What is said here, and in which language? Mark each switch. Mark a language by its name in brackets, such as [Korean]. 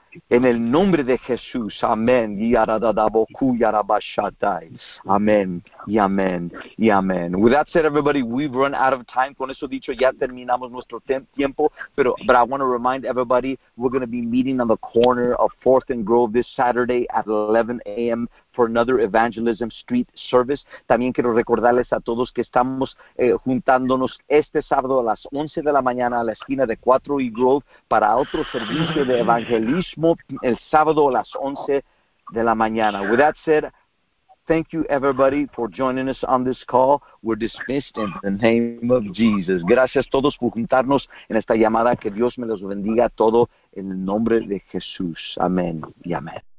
[Spanish] En el nombre de Jesús, amén. Y amén, y amén, y amén. [English] With that said, everybody, we've run out of time. [Spanish] Con eso dicho, ya terminamos nuestro tiempo. [English] But I want to remind everybody, we're going to be meeting on the corner of 4th and Grove this Saturday at 11 a.m. for another Evangelism Street Service. [Spanish] También quiero recordarles a todos que estamos juntándonos este sábado a las 11 de la mañana a la esquina de 4 y Grove para otro servicio de evangelismo el sábado a las 11 de la mañana. [English] With that said, thank you everybody for joining us on this call. We're dismissed in the name of Jesus. [Spanish] Gracias a todos por juntarnos en esta llamada. Que Dios me los bendiga a todos en el nombre de Jesús. Amén y amén.